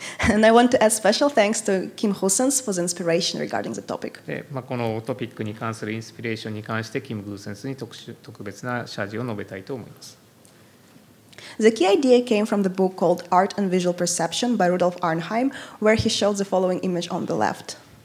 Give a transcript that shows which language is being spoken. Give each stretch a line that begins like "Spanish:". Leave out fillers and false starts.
English: And I want to add special thanks to Kim Husens for the inspiration regarding the topic.
Japanese: まあ、このトピックに関するインスピレーションに関して、キム・グーセンスに特別な謝辞を述べたいと思います。
English: The key idea came from the book called Art and Visual Perception by Rudolf Arnheim, where he showed the following image on the left.